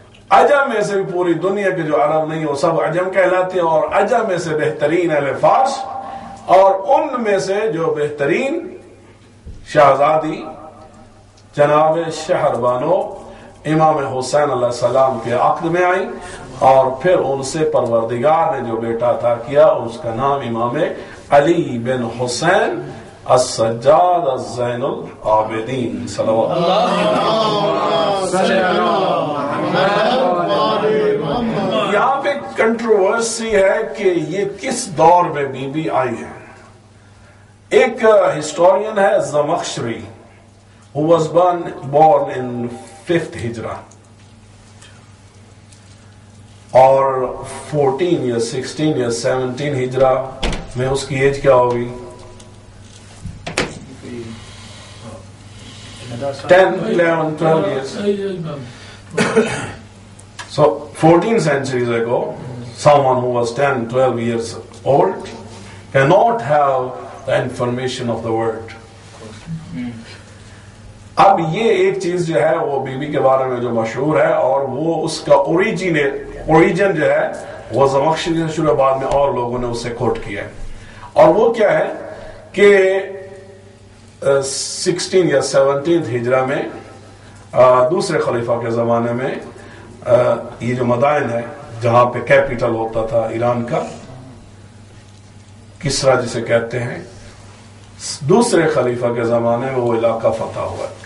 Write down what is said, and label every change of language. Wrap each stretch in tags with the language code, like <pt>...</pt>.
<ur>عجم میں سے بھی پوری دنیا کے جو عرب نہیں ہو سب عجم کہلاتے ہیں, اور عجم میں سے بہترین اہل فارس, اور ان میں سے جو بہترین شہزادی جناب شہر بانو امام حسین علیہ السلام کے عقد میں آئی, اور پھر ان سے پروردگار نے جو بیٹا عطا کیا اس کا نام امام علی بن حسین السجاد الزین العابدین. صلوات یہاں پہ کنٹروورسی ہے کہ یہ کس دور میں بی بی آئی ہے. ایک ہسٹورین ہے</ur> <en>Zamakhshari, who was born in 5th Hijra or 14 years, 16 years, 17 Hijra</en> <ur>میں اس کی ایج کیا ہوگی,</ur> <en>10, 11, 12 years. So 14 centuries ago, someone who was 10, 12 years old cannot have the information of the word.</en> <ur>اب یہ ایک چیز جو ہے وہ بی بی کے بارے میں جو مشہور ہے, اور وہ اس کا اوریجن جو ہے وہ زمخشری سے شروع, بعد میں اور لوگوں نے اسے کوٹ کیا ہے. اور وہ کیا ہے کہ 16 یا 17 ہجرا میں دوسرے خلیفہ کے زمانے میں یہ جو مدائن ہے جہاں پہ کیپیٹل ہوتا تھا ایران کا, کسرا جسے کہتے ہیں, دوسرے خلیفہ کے زمانے میں وہ علاقہ فتح ہوا.</ur>